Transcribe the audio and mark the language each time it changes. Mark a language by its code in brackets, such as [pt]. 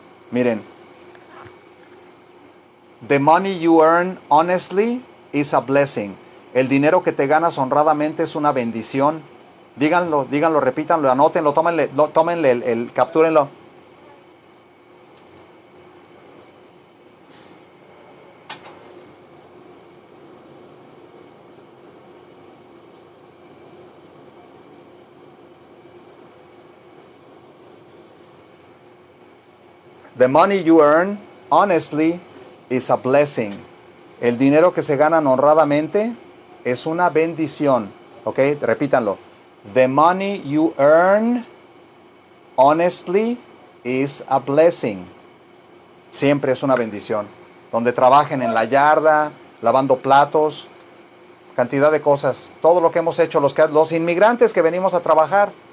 [es] Miren, [en] The money you earn honestly is a blessing. [es] El dinero que te ganas honradamente es una bendición. Díganlo, díganlo, repítanlo, anótenlo, tómenle el captúrenlo. [en] The money you earn honestly is a blessing. [es] El dinero que se gana honradamente es una bendición. Ok, repítanlo. [en] The money you earn honestly is a blessing. [es] Siempre es una bendición. Donde trabajen en la yarda, lavando platos, cantidad de cosas. Todo lo que hemos hecho, los inmigrantes que venimos a trabajar.